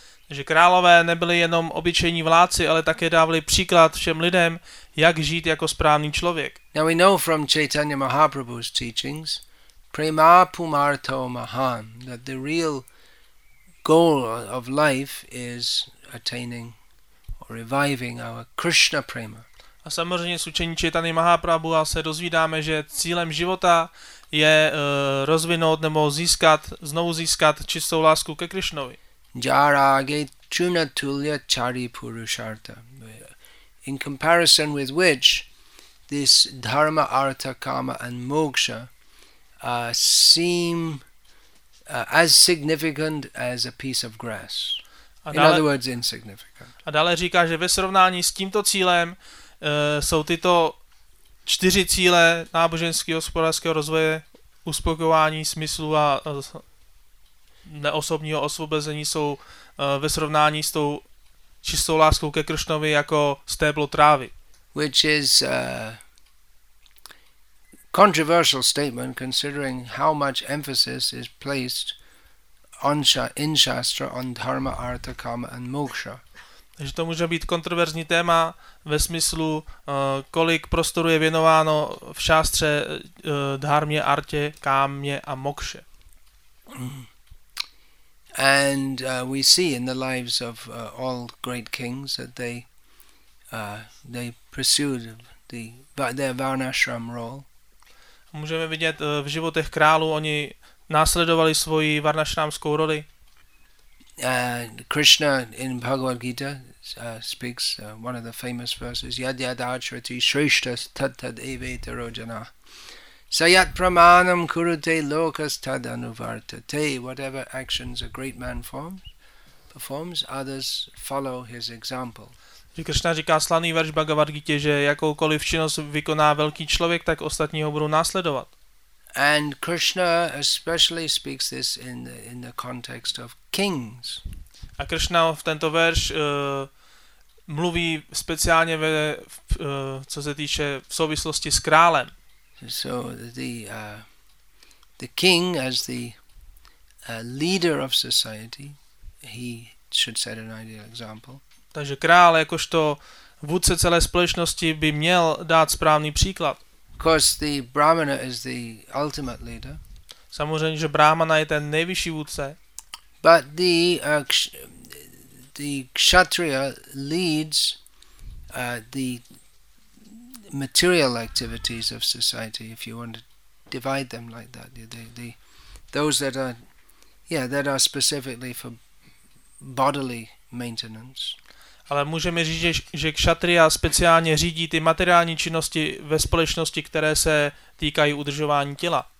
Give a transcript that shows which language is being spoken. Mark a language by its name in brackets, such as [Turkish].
[Czech] Že králové nebyli jenom obyčejní vládci, ale také dávali příklad všem lidem, jak žít jako správný člověk. [English] Now we know from Chaitanya Mahaprabhu's teachings, [Sanskrit] prema pumartho mahan, [English] that the real goal of life is attaining or reviving our Krishna prema. [Czech] A samozřejmě z učení Chaitanya Mahaprabhu se dozvídáme, že cílem života je rozvinout nebo znovu získat čistou lásku ke Krišnovi. Jarage chuna tulya chari purushartha. [English] In comparison with which this dharma, artha, kama and moksha seem as significant as a piece of grass. In other words, insignificant. [Czech] A dále říká, že ve srovnání s tímto cílem jsou tyto čtyři cíle náboženského hospodářského rozvoje, uspokojování smyslu a neosobního osvobození jsou ve srovnání s tou čistou láskou ke Krišnovi jako stéblo trávy. [English] Which is a controversial statement considering how much emphasis is placed on in Shastra on dharma, artha, kama and moksha. [Czech] Takže to může být kontroverzní téma ve smyslu, kolik prostoru je věnováno v šástře dharmě, artě, kámě a mokše. [English] And we see in the lives of all great kings that they pursued their varnashram role. [Czech] Můžeme vidět v životech králů, oni následovali svoji varnashramskou roli. [English] Krishna in Bhagavad Gita speaks one of the famous verses, [Sanskrit] yad yad acharati shrishtas tat tad eveta rojana sayat pramanam kurute lokas tad anuvartate. [English] Whatever actions a great man performs, others follow his example. [Czech] Krishna říká slaný verš Bhagavad Gita, že jakoukoliv činnost vykoná velký člověk, tak ostatní ho budou následovat. [English] And Krishna especially speaks this in the context of kings. [Czech] A Krishna v tento verš mluví speciálně co se týče v souvislosti s králem. [English] So the king as the leader of society, he should set an ideal example. [Czech] Takže král jakožto vůdce celé společnosti by měl dát správný příklad. [English] Because the brahmana is the ultimate leader. [Czech] Samozřejmě, že brahmana je ten nejvyšší vůdce. [English] But the kshatriya leads the material activities of society, if you want to divide them like that. Those that are specifically for bodily maintenance. [Czech] Ale můžeme říct, že kšatria speciálně řídí ty materiální činnosti ve společnosti, které se týkají udržování těla.